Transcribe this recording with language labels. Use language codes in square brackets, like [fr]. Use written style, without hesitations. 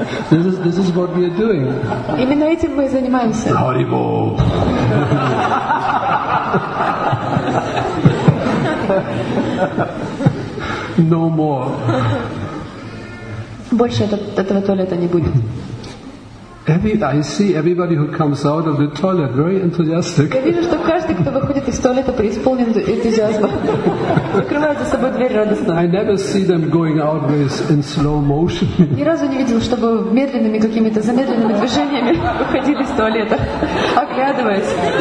[en] This is what we are doing. [ru] Именно этим мы и занимаемся. Haribol. [en] No more. [ru] Больше этого туалета не будет. [en] I see everybody who comes out of the toilet very enthusiastic. [ru] Я вижу, что каждый, кто выходит из туалета, преисполнен энтузиазма. Открывает за собой дверь радостно. [en] I never see them going out in slow motion. [ru] Ни разу не видел, чтобы медленными какими-то замедленными движениями выходили из туалета, оглядываясь.